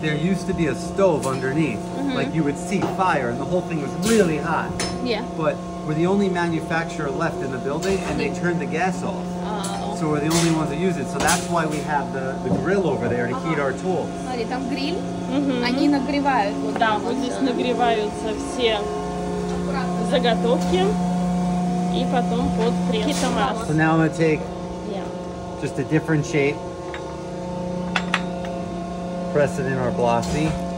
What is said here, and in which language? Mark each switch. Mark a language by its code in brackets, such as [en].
[en] There used to be a stove underneath, mm-hmm. like you would see fire, and the whole thing was really hot. Yeah. But we're the only manufacturer left in the building, and they turned the gas off. Oh. So we're the only ones that use it. So that's why we have the grill over there to heat our tools. [ru] Смотри, там гриль. Mm-hmm. Они нагревают. Вот да, вот здесь нагреваются все аккуратно. Заготовки, и потом под пресс. [en] So now I'm gonna take yeah. just a different shape, press it in our Blossy.